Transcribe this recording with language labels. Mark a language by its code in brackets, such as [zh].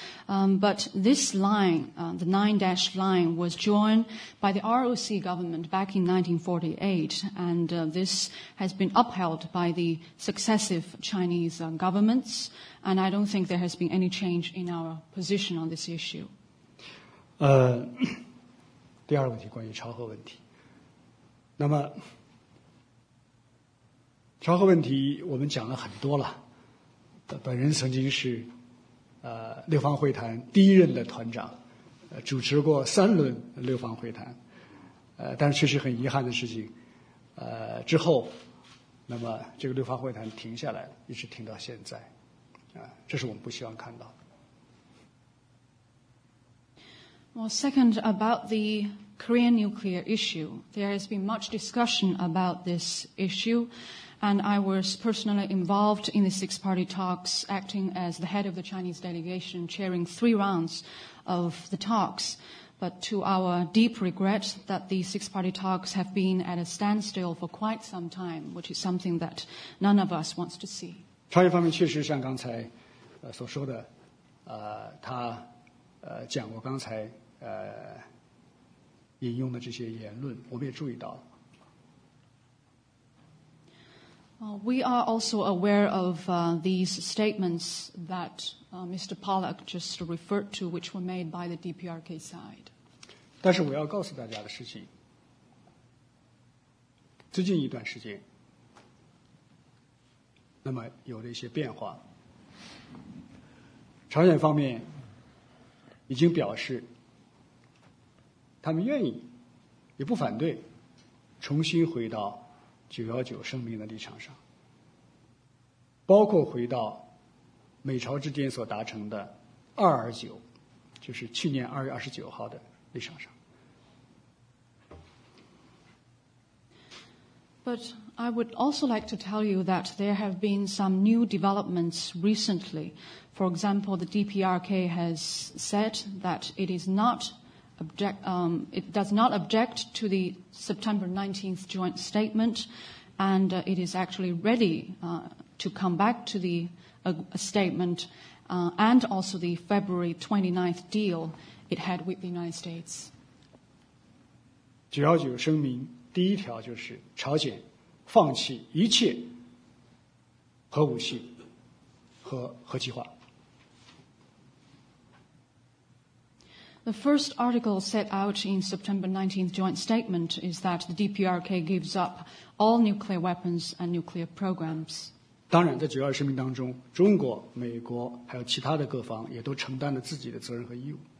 [en] But this line, the nine dash line, was joined by the ROC government back in 1948, and this has been upheld by the successive Chinese governments, and I don't think there has been any change in our position on this issue. [zh] 第二个问题关于超核问题。那么超核问题我们讲了很多了，本人曾经是六方会谈第一任的团长，主持过三轮六方会谈，但是确实很遗憾的事情，之后那么这个六方会谈停下来了，一直停到现在，这是我们不希望看到的。 [en] Well, second, about the Korean nuclear issue, there has been much discussion about this issue. And I was personally involved in the six-party talks, acting as the head of the Chinese delegation, chairing three rounds of the talks. But to our deep regret that the six-party talks have been at a standstill for quite some time, which is something that none of us wants to see. [zh] 朝鲜方面确实像刚才所说的，他讲过刚才引用的这些言论，我们也注意到了。 [en] We are also aware of these statements that Mr. Pollack just referred to, which were made by the DPRK side. [zh] 但是我要告诉大家的事情，最近一段时间，那么有了一些变化。朝鲜方面已经表示，他们愿意，也不反对，重新回到919声明的立场上。包括回到美朝之间所达成的229，就是去年2月29号的立场上。 [en] But I would also like to tell you that there have been some new developments recently. For example, the DPRK has said that it is not object, it does not object to the September 19th joint statement, and it is actually ready. To come back to the statement and also the February 29th deal it had with the United States. [zh] 919声明第一条就是朝鲜放弃一切核武器和核计划。 [en] The first article set out in September 19th joint statement is that the DPRK gives up all nuclear weapons and nuclear programs. [zh] 当然在921声明当中，中国、美国还有其他的各方也都承担了自己的责任和义务。